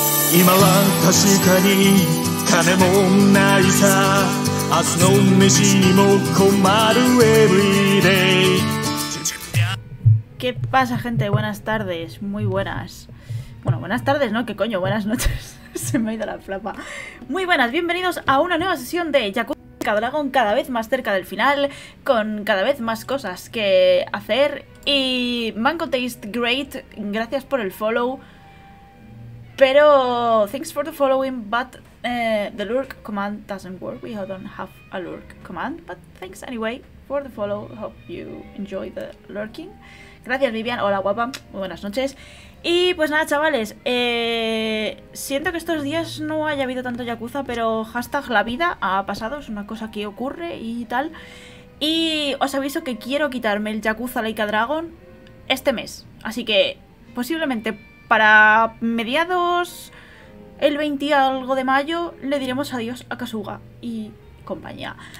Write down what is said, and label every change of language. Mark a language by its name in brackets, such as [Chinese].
[Japanese] 今は確かに金もないさ、明日の飯にも困る Everyday。 [Spanish] ¿Qué pasa, gente? Buenas tardes, muy buenas. Bueno, buenas tardes, ¿no? ¿Qué coño? Buenas noches. Se me ha ido la flapa. Muy buenas, bienvenidos a una nueva sesión de Yakuza Dragon, cada vez más cerca del final, con cada vez más cosas que hacer. Y Mango Taste Great, gracias por el follow. [English] Pero, thanks for the following, but the lurk command doesn't work. We don't have a lurk command, but thanks anyway for the follow. Hope you enjoy the lurking. [Spanish] Gracias, Vivian. Hola, guapa. Muy buenas noches. Y pues nada, chavales. Siento que estos días no haya habido tanto Yakuza, pero hashtag la vida ha pasado. Es una cosa que ocurre y tal. Y os aviso que quiero quitarme el Yakuza Like a Dragon este mes. Así que posiblemente para mediados, el 20 y algo de mayo, le diremos adiós a Kasuga y compañía.